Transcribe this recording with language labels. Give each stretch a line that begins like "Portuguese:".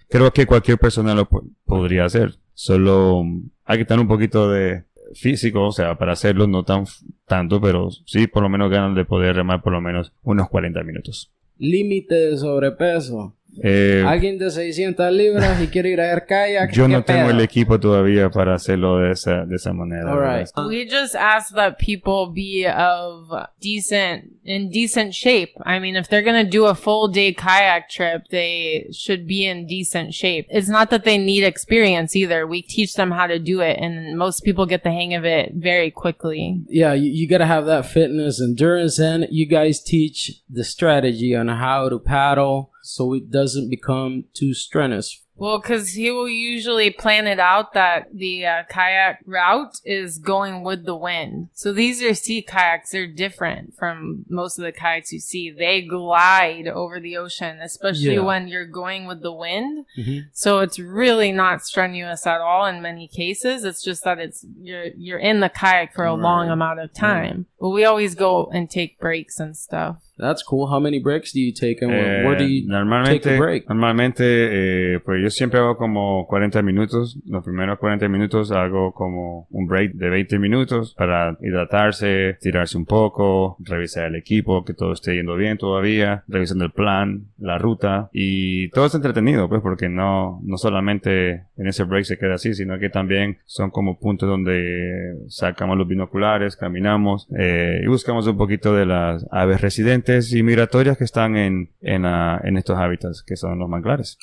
Spanish: Creo que cualquier persona lo podría hacer. Solo hay que tener un poquito de físico, o sea, para hacerlo no tanto, pero sí, por lo menos ganas de poder remar por lo menos unos 40 minutos. Límite de sobrepeso. Alguien de 600 libras y quiere ir a hacer kayak. Yo no tengo el equipo todavía para hacerlo de esa manera.
English: All right. We just ask that people be of decent shape. I mean, if they're going to do a full day kayak trip, they should be in decent shape. It's not that they need experience either. We teach them how to do it, and most people get the hang of it very quickly. Yeah, you got to have that fitness, endurance, and you guys teach the strategy on how to paddle, so it doesn't become too strenuous. Well, because he will usually plan it out that the kayak route is going with the wind. So these are sea kayaks. They're different from most of the kayaks you see. They glide over the ocean, especially when you're going with the wind. Mm-hmm. So it's really not strenuous at all in many cases. It's just that you're in the kayak for a long amount of time. Yeah. But we always go and take breaks and stuff. That's cool. How many breaks do you take and where do you take a break?
Spanish: Normalmente, pues yo siempre hago como 40 minutos. Los primeros 40 minutos hago como un break de 20 minutos para hidratarse, tirarse un poco, revisar el equipo, que todo esté yendo bien todavía, revisando el plan, la ruta. Y todo es entretenido, pues, porque no solamente en ese break se queda así, sino que también son como puntos donde sacamos los binoculares, caminamos y buscamos un poquito de las aves residentes y migratorias que están en estos hábitats, que son los manglares.